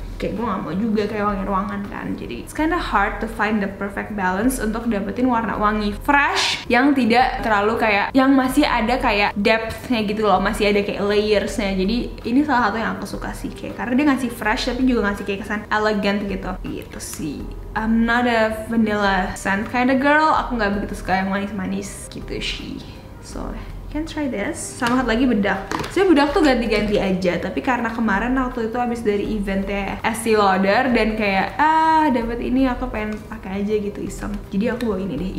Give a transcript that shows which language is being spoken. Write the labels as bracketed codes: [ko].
[id] Kayak gue gak mau juga kayak wangi ruangan kan. Jadi [en] it's kinda hard to find the perfect balance [id] untuk dapetin warna wangi fresh yang tidak terlalu kayak, yang masih ada kayak depth-nya gitu loh, masih ada kayak layers-nya. Jadi ini salah satu yang aku suka sih, kayak karena dia ngasih fresh tapi juga ngasih kayak kesan elegant gitu. Gitu sih. [en] I'm not a vanilla scent kinda girl. [id] Aku gak begitu suka yang manis-manis gitu sih. [en] So can try this. [id] Sama satu lagi bedak. Sebenernya bedak tuh ganti-ganti aja, tapi karena kemarin waktu itu abis dari eventnya Estee Lauder dan kayak dapet ini aku pengen pakai aja gitu iseng, jadi aku bawa ini deh.